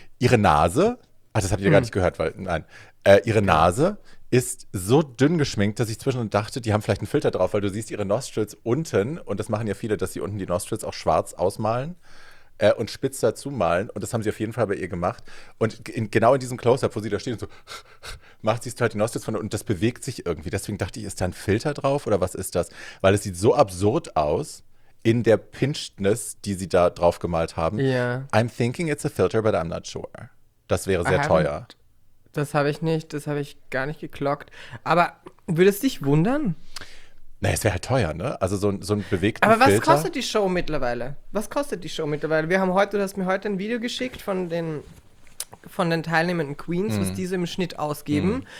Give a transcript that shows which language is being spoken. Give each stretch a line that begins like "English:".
German: Ihre Nase, ach, das habt ihr gar nicht gehört, weil nein. Ihre Nase ist so dünn geschminkt, dass ich zwischendurch dachte, die haben vielleicht einen Filter drauf, weil du siehst ihre Nostrils unten, und das machen ja viele, dass sie unten die Nostrils auch schwarz ausmalen und spitz dazu malen. Und das haben sie auf jeden Fall bei ihr gemacht. Und genau in diesem Close-Up, wo sie da steht und so, macht sie halt die Nostrils von und das bewegt sich irgendwie. Deswegen dachte ich, ist da ein Filter drauf oder was ist das? Weil es sieht so absurd aus. In der Pinchedness, die sie da drauf gemalt haben.
English: Yeah. I'm thinking it's a filter, but I'm not sure.
German: Das wäre sehr teuer. Das habe ich nicht, das habe ich gar nicht geklockt. Aber würde es dich wundern? Naja, es wäre halt teuer, ne? Also so ein bewegten Aber Filter. Aber was kostet die Show mittlerweile? Was kostet die Show mittlerweile? Wir haben heute, du hast mir heute ein Video geschickt von den teilnehmenden Queens, was diese im Schnitt ausgeben.